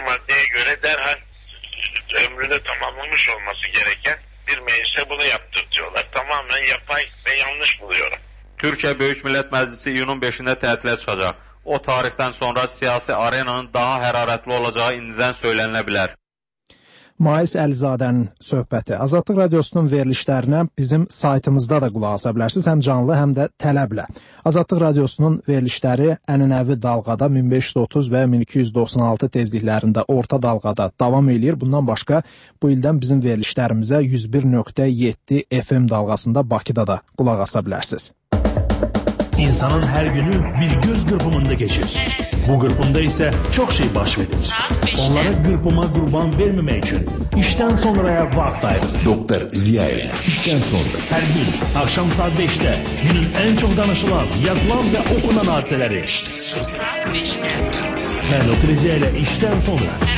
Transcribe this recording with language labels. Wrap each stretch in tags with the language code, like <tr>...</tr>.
<tr>maddeye göre derhal ömrünü tamamlamış olması gereken bir meclise bunu yaptırtıyorlar. Tamamen yapay ve yanlış buluyorum. Türkiye Büyük Millet Meclisi iyunun 5'inde tatile çıkacak. O tarihten sonra siyasi arenanın daha hərarətli olacağı indiden söylenilebilir.</tr> <az>Mayıs Əlizadənin söhbəti. Azadlıq Radiosunun verilişlərinə bizim saytımızda da qulaq asa bilərsiniz, həm canlı, həm də tələblə. Azadlıq Radiosunun verilişləri ənənəvi dalğada 1530 və 1296 tezliklərində orta dalğada davam edir. Bundan başqa bu ildən bizim verilişlərimizə 101.7 FM dalğasında Bakıda da qulaq asa bilərsiniz. İnsanın hər günü bir göz qırpımında geçir. Bu qırpımda isə çox şey baş verir. Onları qırpıma qurban verməmək üçün işdən sonraya vaxt ayırır. Doktor Ziyayə işdən sonra. Hər gün axşam saat 5-də günün ən çox danışılan, yazılan və oxunan hadisələri. İşdən sonra. Mən Doktor Ziyayə ilə işdən sonra.</az>